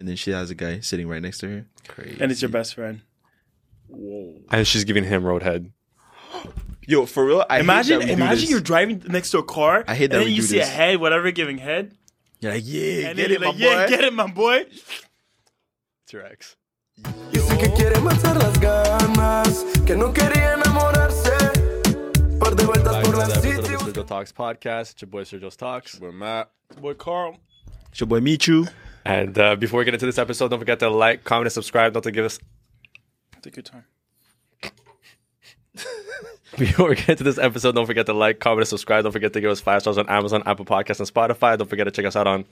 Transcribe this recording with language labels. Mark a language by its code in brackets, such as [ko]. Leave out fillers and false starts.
[en] And then she has a guy sitting right next to her. Crazy. And it's your best friend. Whoa. And she's giving him roadhead. Yo, for real, imagine you're driving next to a car. I hate that. And then you see a head, whatever, giving head. You're like, yeah, and get it, my boy. Yeah, get it, my boy. It's your ex. Yo. [es] Dice que quiere matar las ganas, que no quería enamorarse. Par de vueltas por la city. [en] The Sergio Talks podcast. It's your boy Sergio Talks. It's your boy Matt. It's your boy Carl. It's your boy Michu. And before we get into this episode, don't forget to like, comment, and subscribe. Don't forget to take your time. Before we get to this episode, don't forget to like, comment, and subscribe. Don't forget to give us 5 stars on Amazon, Apple Podcasts, and Spotify. Don't forget to check us out on